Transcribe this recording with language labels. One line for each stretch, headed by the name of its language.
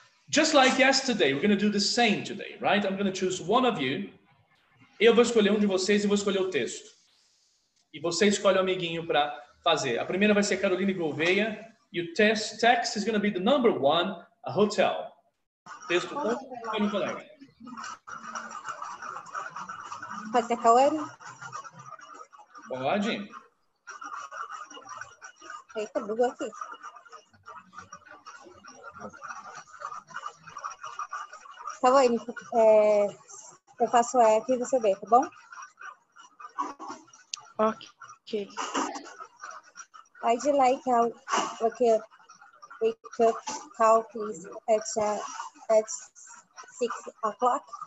English: Just like yesterday, we're going to do the same today, right? I'm going to choose one of you.
Portuguese: Eu vou escolher um de vocês e vou escolher o texto. E você escolhe o amiguinho para fazer. A primeira vai ser Caroline Gouveia.
English: E o text is going to be the number one, a hotel.
Portuguese: Texto um, escolhe um colega. Pode ser Cauê? Pode. Eita, bugou aqui. Tá bom, eu faço F e você B, tá bom? Ok.
English: I'd like how we could wake up how please at 6 o'clock.